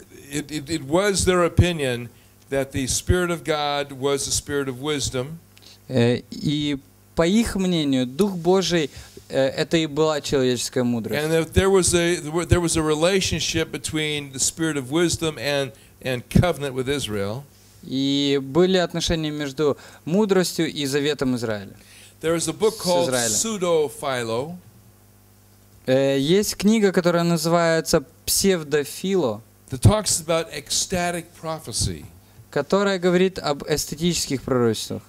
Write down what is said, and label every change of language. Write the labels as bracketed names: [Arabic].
[English] It was their opinion that the Spirit of God was the Spirit of wisdom. [Russian] И по их мнению, Дух Божий это и была человеческая мудрость. [English] And that there was a relationship between the Spirit of wisdom and covenant with Israel. [Russian] И были отношения между мудростью и заветом Израиля. [English] There is a book called Pseudo-Philo. [Russian] Есть книга, которая называется Псевдофило. [English] That talks about ecstatic prophecy, [Russian] которая говорит об эстетических пророчествах.